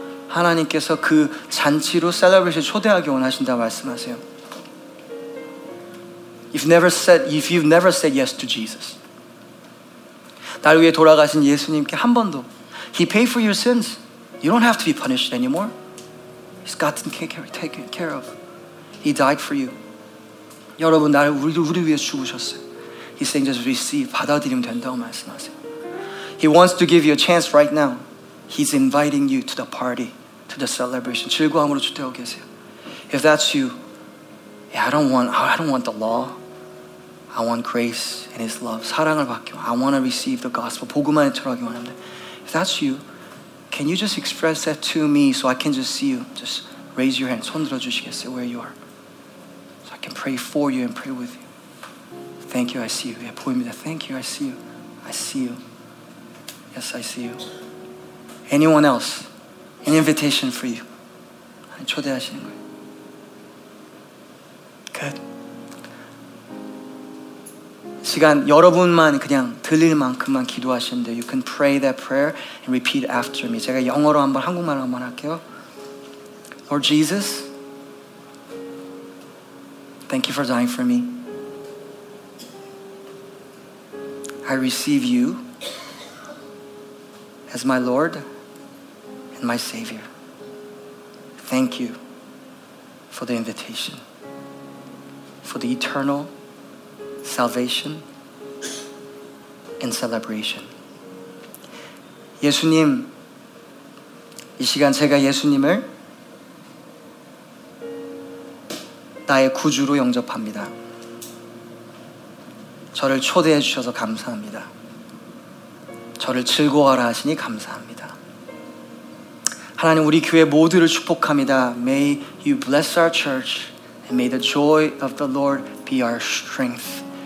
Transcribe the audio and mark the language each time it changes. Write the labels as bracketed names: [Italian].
[Korean] 하나님께서 그 잔치로 셀러브레이션 초대하기 원하신다 말씀하세요. [English] If you've never said yes to Jesus, [Korean] 나를 위해 돌아가신 예수님께 한 번도 [English] He paid for your sins. You don't have to be punished anymore. He's gotten taken care of. He died for you. [Korean] 여러분, 우리 위해 죽으셨어요. [English] He's saying just receive, [Korean] 받아들이면 된다고 말씀하세요. [English] He wants to give you a chance right now. He's inviting you to the party, to the celebration. [Korean] 즐거움으로 초대하고 계세요. [English] If that's you, I don't want the law. I want grace and His love. [Korean] 사랑을 받기 원합니다. [English] I want to receive the gospel. [Korean] 복음만에 들어가기 원합니다. [English] If that's you, can you just express that to me so I can just see you? Just raise your hand. [Korean] 손 들어주시겠어요? [English] Where you are. So I can pray for you and pray with you. Thank you, I see you. [Korean] 예, 보입니다. [English] Thank you, I see you. I see you. Yes, I see you. Anyone else? An invitation for you. [Korean] 초대하시는 거예요. [English] Good. [Korean] 시간 여러분만 그냥 들릴 만큼만 기도하시는데 [English] You can pray that prayer and repeat after me. [Korean] 제가 영어로 한번 한국말로 한번 할게요. [English] Lord Jesus, thank you for dying for me. I receive you as my Lord and my Savior. Thank you for the invitation, for the eternal salvation and celebration. [Korean] 예수님, 이 시간 제가 예수님을 나의 구주로 영접합니다. 저를 초대해 주셔서 감사합니다. 저를 즐거워하라 하시니 감사합니다. 하나님, 우리 교회 모두를 축복합니다. [English] May you bless our church and may the joy of the Lord be our strength.